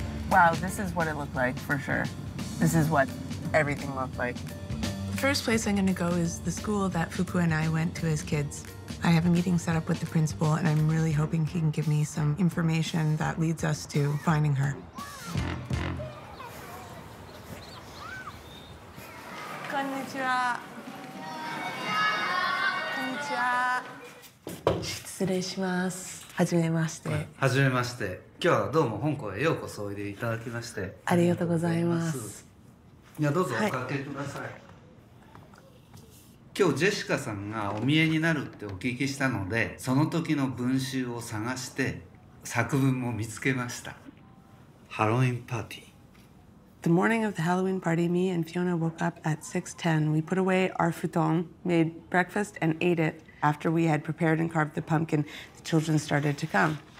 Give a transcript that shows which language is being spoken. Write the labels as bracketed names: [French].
[English] Wow, this is what it looked like, for sure. This is what everything looked like. The first place I'm going to go is the school that Fukue and I went to as kids. I have a meeting set up with the principal, and I'm really hoping he can give me some information that leads us to finding her. [Japanese] こんにちは。こんにちは。失礼します。はじめまして。はじめまして。今日はどうも香港へようこそおいでいただきまして。ありがとうございます。いや、どうぞおかけください。今日ジェシカさんがお見えになるってお聞きしたので、その時の文集を探して作文も見つけました。ハロウィンパーティー。 [English] The morning of the Halloween party, me and Fiona woke up at 6:10. We put away our futon, made breakfast, and ate it. After we had prepared and carved the pumpkin, the children started to come.